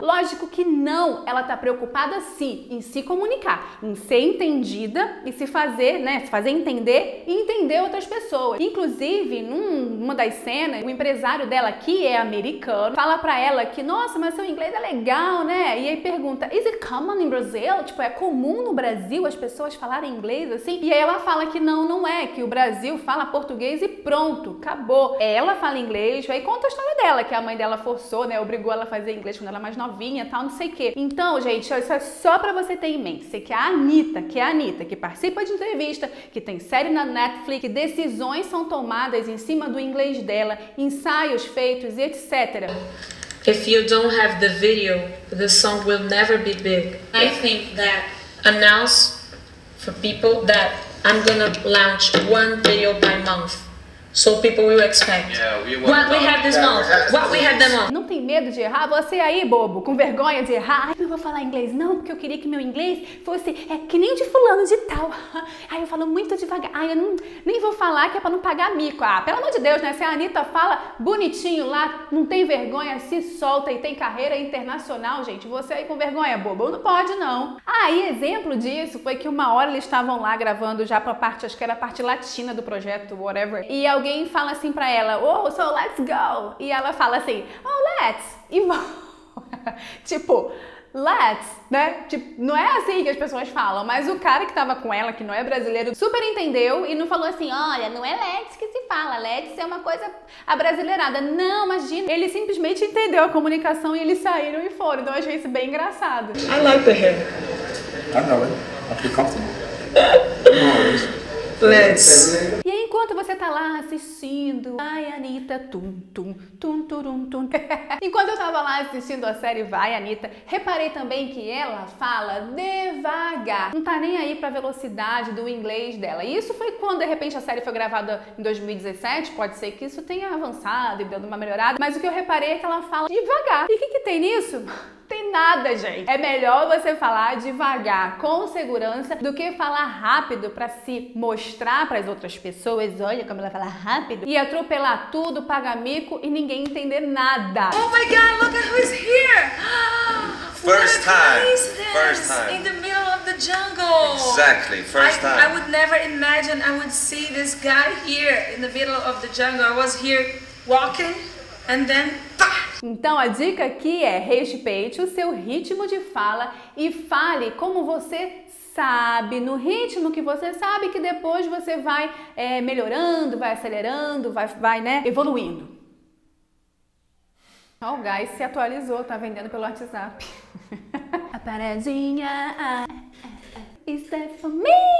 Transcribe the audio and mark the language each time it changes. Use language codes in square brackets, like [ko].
[pt] Lógico que não. Ela tá preocupada, sim, em se comunicar, em ser entendida e se fazer, né, se fazer entender e entender outras pessoas. Inclusive, numa das cenas, o empresário dela, que é americano, fala pra ela que, nossa, mas seu inglês é legal, né? E aí pergunta, [en] is it common in Brazil? [pt] Tipo, é comum no Brasil as pessoas falarem inglês assim? E aí ela fala que não, não é, que o Brasil fala português e pronto, acabou. Ela fala inglês, aí conta a história dela, que a mãe dela forçou, né, obrigou ela a fazer inglês quando ela é mais novinha e tal, não sei o quê. Então, gente, isso é só pra você ter em mente. Sei que a Anitta, que é a Anitta, que participa de entrevista, que tem série na Netflix, que decisões são tomadas em cima do inglês dela, ensaios feitos, etc. [en] If you don't have the video, the song will never be big. I think that announce for people that I'm gonna launch one video by month. So people will expect. Yeah, we what we have this month? What we have this month? [pt] Não tem medo de errar? Você aí, bobo, com vergonha de errar? Ai, não vou falar inglês não, porque eu queria que meu inglês fosse é que nem de fulano de tal. Ai, eu falo muito devagar. Ai, eu não, nem vou falar que é pra não pagar mico. Ah, pelo amor de Deus, né? Se a Anitta fala bonitinho lá, não tem vergonha, se solta e tem carreira internacional, gente. Você aí com vergonha, bobo, não pode não. Aí, exemplo disso foi que uma hora eles estavam lá gravando já pra parte, acho que era a parte latina do projeto, whatever. E alguém fala assim pra ela, oh, [en] so let's go. [pt] E ela fala assim, oh, let's. E tipo, let's, né? Tipo, não é assim que as pessoas falam, mas o cara que tava com ela, que não é brasileiro, super entendeu e não falou assim, olha, não é let's que se fala, let's é uma coisa abrasileirada. Não, imagina. Ele simplesmente entendeu a comunicação e eles saíram e foram. Então eu achei isso bem engraçado. [en] I like the hair. I know it. I feel comfortable. Let's. [pt] E aí, enquanto você tá lá assistindo, ai, Anitta, tum, tum, tum, turum, tum. Enquanto eu tava lá assistindo a série Vai, Anitta, reparei também que ela fala devagar. Não tá nem aí pra velocidade do inglês dela. E isso foi quando, de repente, a série foi gravada em 2017. Pode ser que isso tenha avançado e dando uma melhorada. Mas o que eu reparei é que ela fala devagar. E o que que tem nisso? Tem nada, gente. É melhor você falar devagar, com segurança, do que falar rápido pra se mostrar pras outras pessoas. Olha como ela fala rápido. E atropelar tudo, pagar mico e ninguém entender nada. [en] Oh my God, look at who's here. First time. What a coincidence. First time. In the middle of the jungle. Exactly, first time. I would never imagine I would see this guy here in the middle of the jungle. I was here walking and then... [pt] Então a dica aqui é respeite o seu ritmo de fala e fale como você sabe, no ritmo que você sabe, que depois você vai melhorando, vai acelerando, vai né, evoluindo. Ó, o gás se atualizou, tá vendendo pelo WhatsApp. A paradinha [en] is that for me?